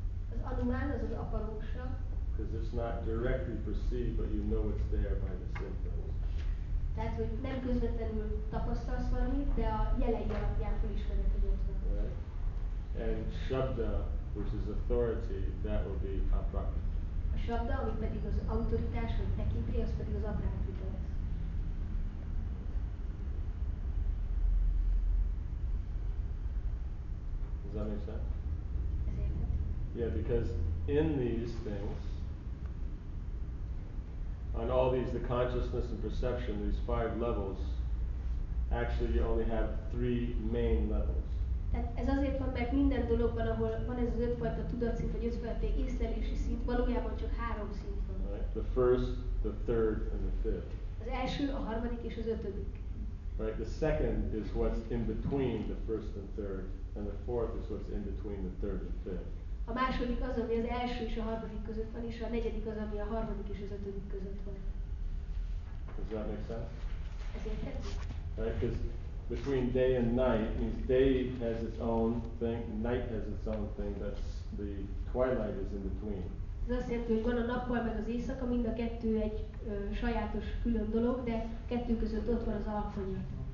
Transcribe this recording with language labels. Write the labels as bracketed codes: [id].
[hu] Az anuman az az aparoksha. [en] Because it's not directly perceived, but you know it's there by the symptoms. [hu] Tehát, hogy nem közvetlenül tapasztalsz valamit, de a jelei alapján felismered, hogy ott van. [en] And shabda, which is authority, that would be aprakriti. [hu] A shabda, ami pedig az autoritás, vagy tekintély, az pedig az aprakriti. [en] Does that make sense? Yeah, because in these things, on all these, the consciousness and perception, these five levels, actually you only have three main levels. [hu] Tehát ez azért van, mert minden dologban, ahol van ez az ötfajta tudatszint, vagy ötfajta észlelési szint, valójában csak három szint van. [en] Right? The first, the third, and the fifth. [hu] Az első, a harmadik és az ötödik. [en] Right, the second is what's in between the first and third. And the fourth is what's in between the third and fifth. [hu] A második az, ami az első és a harmadik között van, és a negyedik az, ami a harmadik és az ötödik között van. [en] Does that make sense? [hu] Ez érthető. [en] Right, because between day and night means day has its own thing, night has its own thing. That's the twilight is in between. [hu] Ez azt jelenti, hogy van a nappal meg az éjszaka, mind a kettő egy sajátos külön dolog, de kettő között ott van az alfonyat.